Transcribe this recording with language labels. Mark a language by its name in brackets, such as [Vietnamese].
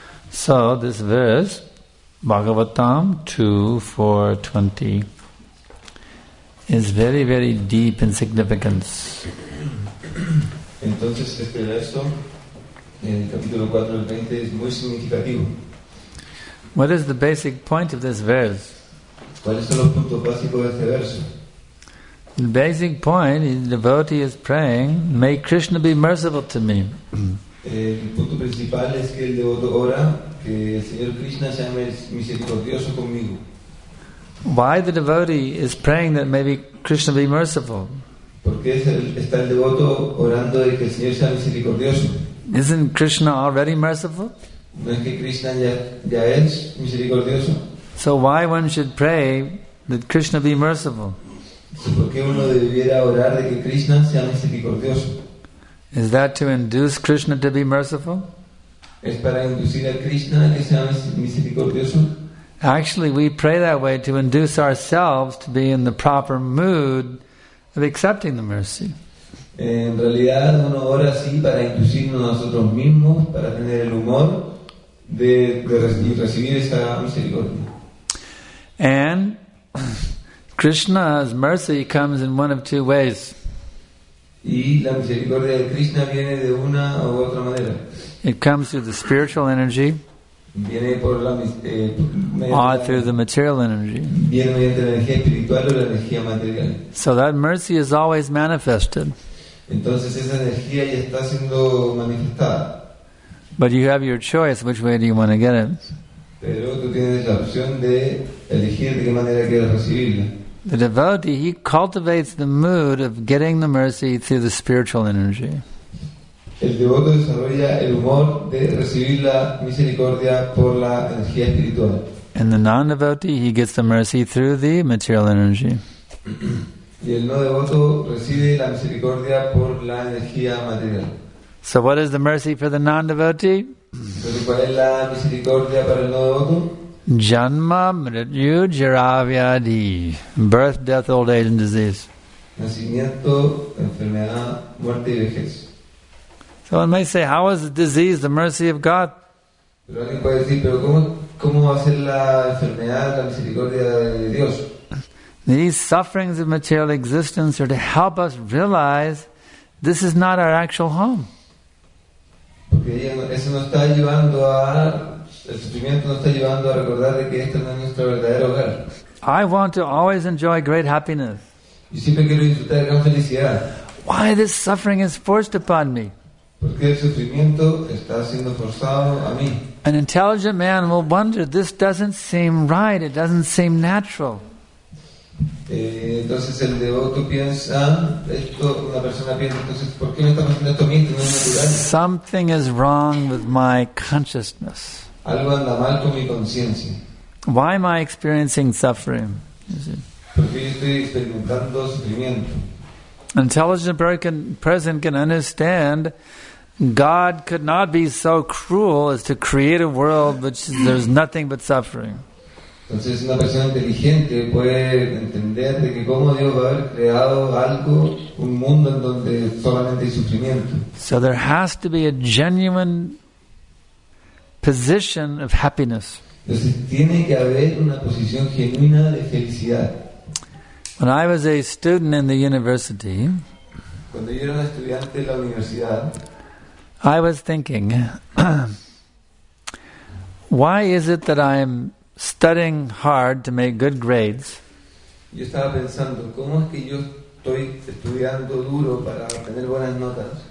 [English] So this verse, Bhagavatam 2:4:20, is very, very deep in significance. [Spanish] Entonces este verso en capítulo 4:20 es muy significativo. [English] What is the basic point of this verse? [Spanish] ¿Cuál es el punto básico de este verso? [English] The basic point is the devotee is praying, may Krishna be merciful to me. [Spanish] El punto principal es que el devoto ora que el Señor Krishna sea misericordioso conmigo. [English] Why the devotee is praying that maybe Krishna be merciful? [Spanish] Porque está el devoto orando de que el Señor sea misericordioso. [English] Isn't Krishna already merciful? [Spanish] ¿No es que Krishna ya es misericordioso? [English] So why one should pray that Krishna be merciful? [Spanish] ¿Por qué uno debiera orar de que Krishna sea misericordioso? [English] Is that to induce Krishna to be merciful? [Spanish] ¿Es para inducir a Krishna que sea misericordioso? [English] Actually, we pray that way to induce ourselves to be in the proper mood of accepting the mercy. [Spanish] En realidad, uno ora así para inducirnos nosotros mismos, para tener el humor de recibir esa misericordia. [English] And Krishna's mercy comes in one of two ways. [Spanish] Y la misericordia de Krishna viene de una u otra manera. [English] It comes through the spiritual energy. [Spanish] Viene por la, [English] or through the material energy. [Spanish] Viene mediante la energía espiritual o la energía material. [English] So that mercy is always manifested. [Spanish] Entonces esa energía ya está siendo manifestada. [English] But you have your choice, which way do you want to get it? [Spanish] Pero tú tienes la opción de elegir de qué manera quieres recibirla. [English] The devotee, he cultivates the mood of getting the mercy through the spiritual energy. [Spanish] El devoto desarrolla el humor de recibir la misericordia por la energía espiritual. [English] And the non-devotee, he gets the mercy through the material energy. [Spanish] Y el no devoto recibe la misericordia por la energía material. [English] So what is the mercy for the non-devotee? [Spanish] ¿Pero cuál es la misericordia para el no devoto? [Sanskrit] Janma, mrityu, jara, vyadi, [English] birth, death, old age, and disease. [Spanish] Nacimiento, enfermedad, muerte y vejez. [English] So one may say, how is the disease the mercy of God? [Spanish] Pero alguien puede decir, pero ¿cómo va a ser la enfermedad la misericordia de Dios? [English] These sufferings of material existence are to help us realize this is not our actual home. [Spanish] Porque eso nos está llevando a... El sufrimiento nos está llevando a recordar de que este no es nuestro verdadero hogar. [English] I want to always enjoy great happiness. [Spanish] Yo siempre quiero disfrutar de gran felicidad. [English] Why this suffering is forced upon me? [Spanish] Porque el sufrimiento está siendo forzado a mí. [English] An intelligent man will wonder, this doesn't seem right, it doesn't seem natural. [Spanish] Entonces el devoto piensa, esto, una persona piensa, entonces, ¿por qué me está pasando esto a mí? No es natural. [English] Something is wrong with my consciousness. [Spanish] Algo anda mal con mi conciencia. [English] Why am I experiencing suffering? [Spanish] Porque estoy experimentando sufrimiento. [English] An intelligent person can understand God could not be so cruel as to create a world which there's nothing but suffering. [Spanish] Entonces una persona inteligente puede entender de que cómo Dios va a haber creado algo, un mundo en donde solamente hay sufrimiento. [English] So there has to be a genuine position of happiness. [Spanish] Entonces, tiene que haber una posición genuina de felicidad. [English] When I was a student in the university, [Spanish] cuando yo era un estudiante en la universidad, [English] I was thinking, why is it that I am studying hard to make good grades? [Spanish] Yo estaba pensando, ¿cómo es que yo estoy estudiando duro para tener buenas notas?